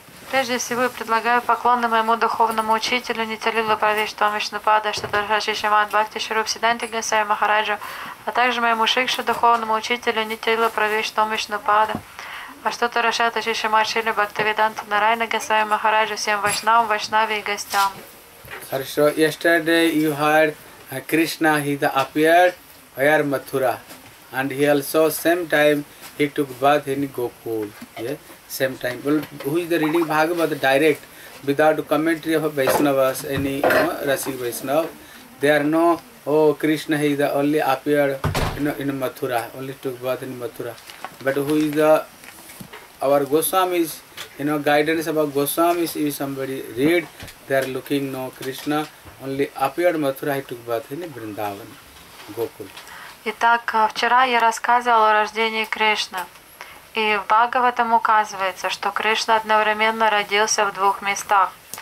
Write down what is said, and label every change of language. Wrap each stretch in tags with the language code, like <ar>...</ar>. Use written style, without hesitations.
<ru>Прежде всего, я предлагаю поклоны моему духовному учителю Нитилилу Прабхишну Вишнупаду Шатурхаджи Шриман Бхакти Шаруп Сиддханти Госвами Махараджу, а также моему шикшу духовному учителю Нитилилу Прабхишну Вишнупаду Шатурхаджи Шриман Шрили Бхактивиданта Нарайана Госвами Махараджу всем вайшнавам, вайшнаве и гостям. Хорошо.</ru> <en>Yesterday you heard Krishna, he appeared near Mathura. And he also same time he took bath in Gokul. Yeah? Same time. Well, who is the reading Bhagavata direct without commentary of a Vaishnavas, any Rasik Vaishnav? They are no, oh, Krishna is the only appeared in Mathura, only took birth in Mathura. But who is the, our Goswamis, you know, guidance about Goswamis is somebody read, they are looking, no, Krishna only appeared Mathura, he took birth in Vrindavan, Gokul.</en> <ru>Итак, вчера я рассказывала о рождении Кришны. И в Бхагаватам указывается, что Кришна одновременно родился в двух местах.</ru>